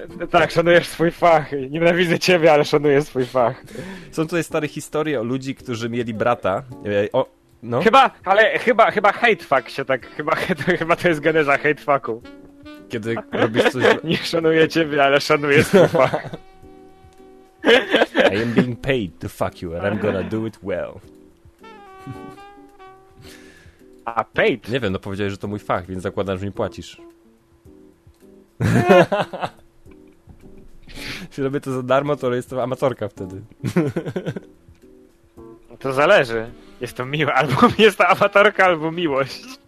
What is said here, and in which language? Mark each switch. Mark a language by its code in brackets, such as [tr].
[pl] Tak, szanujesz swój fach. Nienawidzę ciebie, ale szanuję swój fach. Są tutaj stare historie o ludzi, którzy mieli brata. No. Chyba, ale chyba hatefuck się tak, chyba to jest geneza hatefucku. Kiedy robisz coś... Nie szanuję ciebie, ale szanuję słupa. [en] I am being paid to fuck you and I'm gonna do it well. A paid? [pl] Nie wiem, no powiedziałeś, że to mój fach, więc zakładam, że mi płacisz. Jeśli robię to za darmo, to jestem amatorka wtedy. To zależy. Jest to miłe. Albo jest to amatorka, albo miłość.